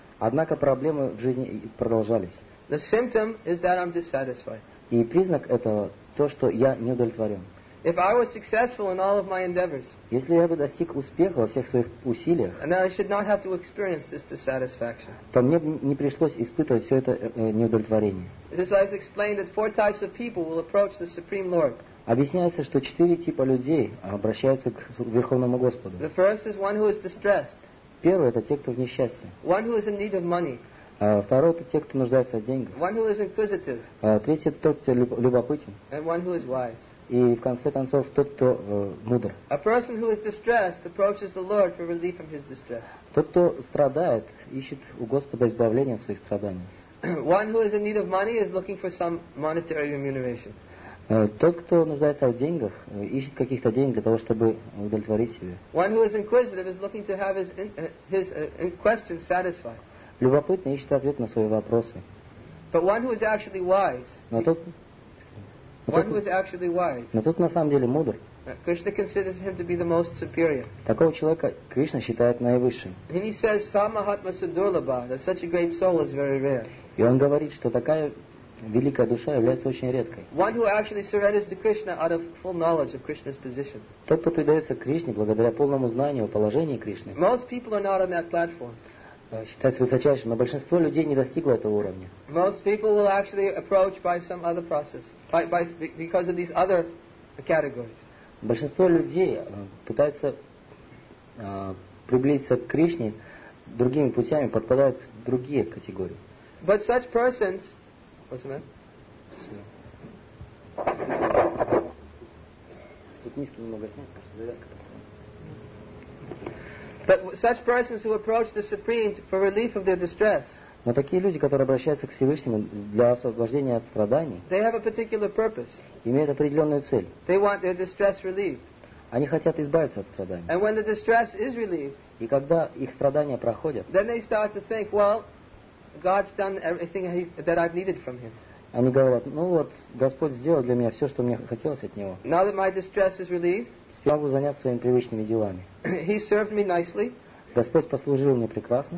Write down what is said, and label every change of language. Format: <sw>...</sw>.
<ru>Однако проблемы в жизни продолжались.</ru> <en>The symptom is that I'm dissatisfied.</en> <ru>И признак этого то, что я не удовлетворен.</ru> <en>If I was successful in all of my endeavors,</en> <ru>если я бы достиг успеха во всех своих усилиях,</ru> <en>then I should not have to experience this dissatisfaction.</en> <ru>То мне бы не пришлось испытывать все это неудовлетворение.</ru> <en>This I have explained that four types of people will approach the Supreme Lord.</en> <ru>Объясняется, что четыре типа людей обращаются к Верховному Господу.</ru> <en>The first is one who is distressed.</en> <ru>Первый — это те, кто в несчастье.</ru> <en>One who is in need of money.</en> <ru>Второй — это те, кто нуждается в деньгах.</ru> <en>One who is inquisitive.</en> <ru>Третий — это тот, кто любопытен.</ru> <en>And one who is wise.</en> <ru>И в конце концов тот, кто мудр.</ru> <en>A person who is distressed approaches the Lord for relief from his distress.</en> <ru>Тот, кто страдает, ищет у Господа избавления от своих страданий.</ru> <en>One who is in need of money is looking for some monetary remuneration.</en> <ru>Тот, кто нуждается в деньгах, ищет каких-то денег для того, чтобы удовлетворить себя.</ru> <en>One who is inquisitive is looking to have his questions satisfied.</en> <ru>Любопытный ищет ответ на свои вопросы.</ru> <en>But one who is actually wise.</en> <ru>Но тот на самом деле мудр.</ru> <en>Krishna considers him to be the most superior.</en> <ru>Такого человека Кришна считает наивысшим.</ru> <en>And he says,</en> <sa>"Samahatma Sudurlaba,</sa> <en>that such a great soul is very rare."</en> <ru>И он говорит, что такая великая душа является очень редкой.</ru> <en>One who actually surrenders to Krishna out of full knowledge of Krishna's position.</en> <ru>Тот, кто предается Кришне благодаря полному знанию о положении Кришны.</ru> <en>Most people are not on that platform.</en> <ru>Считается высочайшим, но большинство людей не достигло этого уровня.</ru> <en>Most people will actually approach by some other process, by because of these other categories.</en> <ru>Большинство людей пытаются приблизиться к Кришне другими путями, подпадают в другие категории.</ru> <en>But such persons, what's the name?</en> <ru>Тут низко немного снять, потому что завязка поставлена.</ru> <en>But such persons who approach the Supreme for relief of their distress.</en> <ru>Но такие люди, которые обращаются к Всевышнему для освобождения от страданий,</ru> <en>they have a particular purpose.</en> <ru>Имеют определенную цель.</ru> <en>They want their distress relieved.</en> <ru>Они хотят избавиться от страданий.</ru> <en>And when the distress is relieved,</en> <ru>и когда их страдания проходят,</ru> <en>then they start to think, well, God's done everything that I've needed from Him.</en> <ru>Они говорят, ну вот Господь сделал для меня все, что мне хотелось от Него.</ru> <en>Now that my distress is relieved.</en> <ru>Могу заняться своими привычными делами.</ru> <en>He served me nicely.</en> <ru>Господь послужил мне прекрасно.</ru>